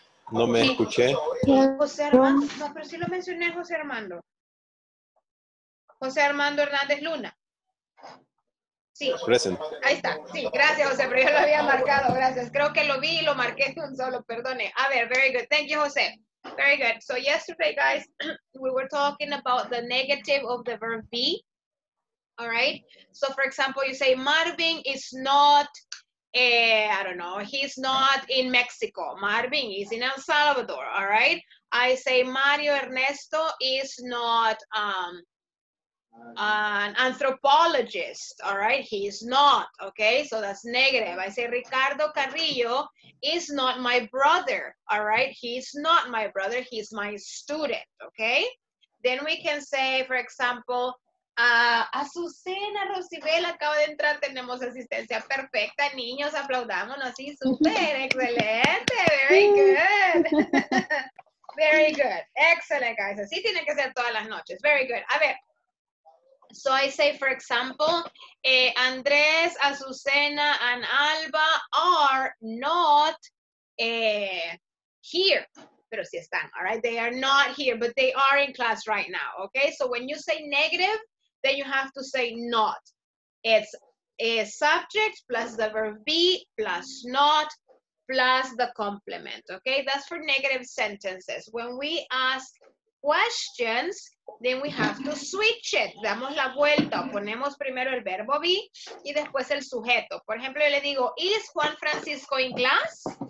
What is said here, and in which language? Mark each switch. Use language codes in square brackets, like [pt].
[es] No me escuché. José Armando. No, pero sí lo mencioné, José Armando. José Armando Hernández Luna. Sí. [en] Present. [es] Ahí está. Sí, gracias, José, pero yo lo había marcado. Gracias. Creo que lo vi y lo marqué un solo. Perdone. A ver, [en] very good. Thank you, José. Very good. So yesterday, guys, we were talking about the negative of the verb be. All right. So, for example, you say Marvin is not, I don't know, he's not in Mexico. Marvin is in El Salvador. All right. I say Mario Ernesto is not an anthropologist. All right. He is not. Okay. So that's negative. I say Ricardo Carrillo is not my brother, all right? He's not my brother, he's my student, okay? [es] Then we can say, for example, Azucena Rosibel acaba de entrar, tenemos asistencia perfecta, niños, aplaudámonos, sí, super, excelente, [en] very good. Very good, excellent, guys, [es] así tiene que ser todas las noches, very good. A ver, [en] so I say, for example, Andrés, Azucena, and Alba are not here. [es] Pero sí están, [en] all right? They are not here, but they are in class right now, okay? So when you say negative, then you have to say not. It's a subject plus the verb be plus not plus the complement, okay? That's for negative sentences. When we ask questions, then we have to switch it. [es] Damos la vuelta. Ponemos primero el verbo be y después el sujeto. Por ejemplo, yo le digo, [en] ¿is Juan Francisco in class?